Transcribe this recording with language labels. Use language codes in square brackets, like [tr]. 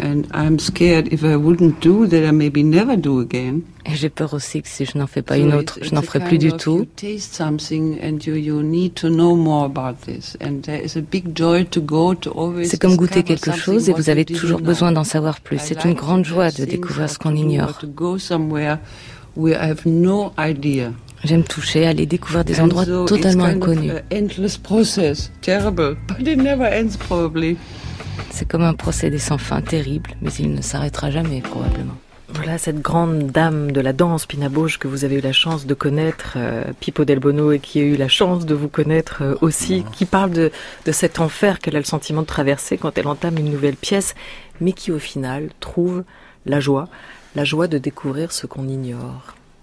[en] And I'm scared if I wouldn't do that I maybe never do again. [fr] Et j'ai peur aussi que si je n'en fais pas une autre, je n'en ferai plus du tout. [en] You taste something and you need to know more about this. And there is a big joy to go to always. [fr] C'est comme goûter quelque chose et vous avez toujours besoin d'en savoir plus. C'est une grande joie de découvrir ce qu'on ignore. [en] To go somewhere where I have no idea. [fr] J'aime toucher, aller découvrir des endroits totalement inconnus. [en] Endless process, terrible, but it never ends probably. [fr] C'est comme un procédé sans fin, terrible, mais il ne s'arrêtera jamais probablement. Voilà cette grande dame de la danse, Pina Bausch, que vous avez eu la chance de connaître, Pippo Del Bono, et qui a eu la chance de vous connaître aussi, qui parle de cet enfer qu'elle a le sentiment de traverser quand elle entame une nouvelle pièce, mais qui au final trouve la joie de découvrir ce qu'on ignore.